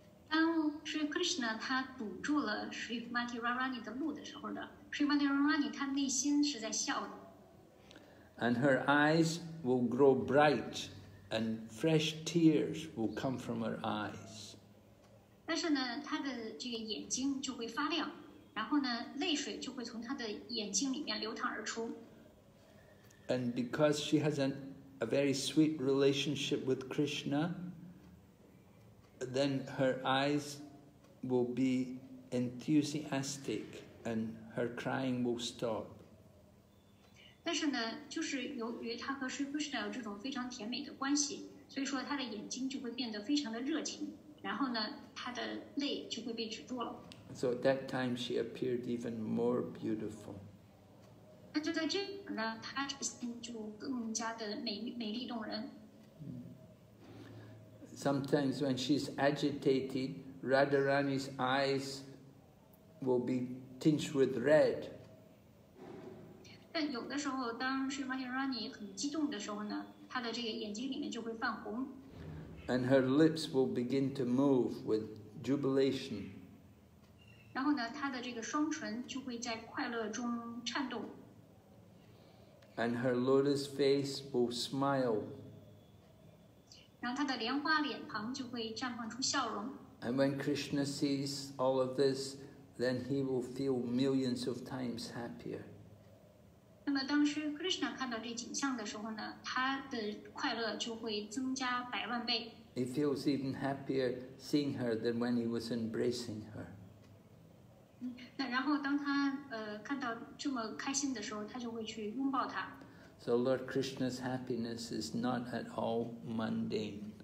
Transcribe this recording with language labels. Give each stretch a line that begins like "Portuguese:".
Chinese: 当 Shri Krishna 他堵住了 Shri Mati Radharani 的路的时候呢， Shri Mati Radharani 他内心是在笑的。
English: And her eyes will grow bright, and fresh tears will come from her eyes.
Chinese: 但是呢，他的这个眼睛就会发亮。然后呢，泪水就会从她的眼睛里面流淌而出。
English: And because she has a very sweet relationship with Krishna, then her eyes will be enthusiastic and her crying will stop.
Chinese: 但是呢，就是由于她和 Sri Krishna 有这种非常甜美的关系，所以说她的眼睛就会变得非常的热情，然后呢，她的泪就会被止住了。
English: So at that time, she appeared even more beautiful.
Chinese: 那就在这里呢，她这心就更加的美丽动人。
English: Sometimes when she's agitated, Radharani's eyes will be tinged with red.
Chinese: 但有的时候，当 Sri Radharani 很激动的时候呢，她的这个眼睛里面就会泛红。
English: And her lips will begin to move with jubilation.
Chinese: 然后呢，她的这个双唇就会在快乐中颤动。
English: And her lotus face will smile.
Chinese: 然后她的莲花脸庞就会绽放出笑容。
English: And when Krishna sees all of this, then he will feel millions of times happier.
Chinese: 那么当时 Krishna 看到这景象的时候呢，他的快乐就会增加百万倍。
English: He feels even happier seeing her than when he was embracing her.
Chinese: 那然后当他看到这么开心的时候，他就会去拥抱他。
English: So Lord Krishna's happiness is not at all mundane.